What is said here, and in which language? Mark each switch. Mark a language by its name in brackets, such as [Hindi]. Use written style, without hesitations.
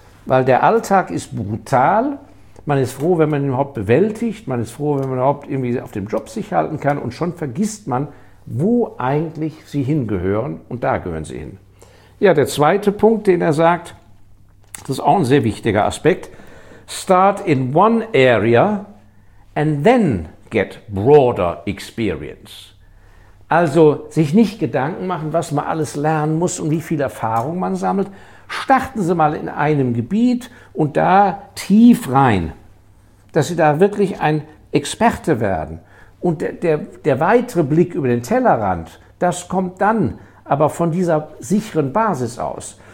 [German] Weil der Alltag ist brutal. Man ist froh, wenn man ihn überhaupt bewältigt. Man ist froh, wenn man überhaupt irgendwie auf dem Job sich halten kann. Und schon vergisst man, wo eigentlich sie hingehören. Und da gehören sie hin. Ja, der zweite Punkt, den er sagt, das ist auch ein sehr wichtiger Aspekt. [English] Start in one area and then get broader experience. [German] Also sich nicht Gedanken machen, was man alles lernen muss und wie viel Erfahrung man sammelt. Starten Sie mal in einem Gebiet und da tief rein, dass Sie da wirklich ein Experte werden. Und der weitere Blick über den Tellerrand, das kommt dann, aber von dieser sicheren Basis aus.